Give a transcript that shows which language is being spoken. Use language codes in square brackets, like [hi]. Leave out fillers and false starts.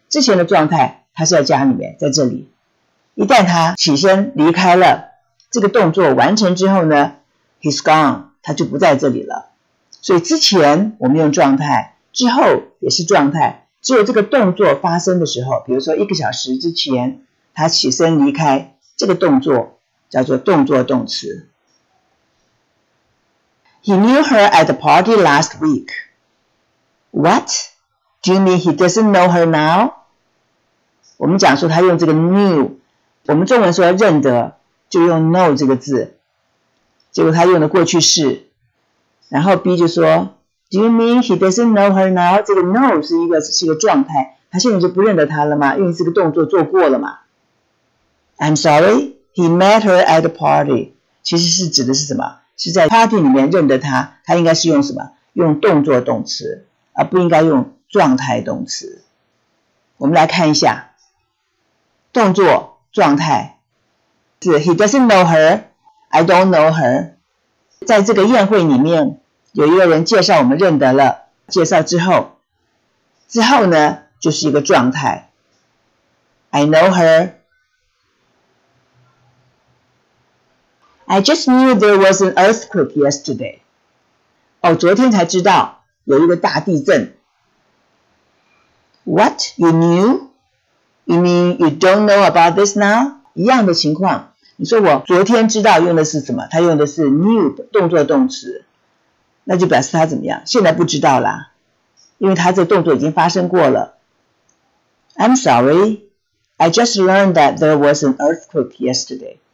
[zh] 之前的状态他是在家里面，在这里，一旦他起身离开了，这个动作完成之后呢， [en] he's gone， [zh] 他就不在这里了。所以之前我们用状态，之后也是状态，只有这个动作发生的时候，比如说一个小时之前他起身离开，这个动作叫做动作动词。 [en] He knew her at the party last week. What? Do you mean he doesn't know her now? [zh] 我们讲说他用这个 knew， 我们中文说认得就用 know 这个字，结果他用的过去式。然后 B 就说 [en] Do you mean he doesn't know her now? [zh] 这个 know 是一个状态，他现在就不认得她了吗？因为这个动作做过了嘛。 [en] I'm sorry, he met her at the party. [zh] 其实是指的是什么？是在 party 里面认得她，他应该是用什么？用动作动词，而不应该用状态动词。我们来看一下，动作状态是 [en] he doesn't know her, I don't know her。 [zh] 在这个宴会里面有一个人介绍我们认得了，介绍之后呢就是一个状态， [en] I know her， I just knew there was an earthquake yesterday。 [zh] 哦，昨天才知道有一个大地震。 [en] What? You knew? You mean you don't know about this now? [zh] 一样的情况，你说我昨天知道用的是什么，他用的是 knew 动作动词，那就表示他怎么样？现在不知道啦，因为他这动作已经发生过了。 [en] I'm sorry, I just learned that there was an earthquake yesterday.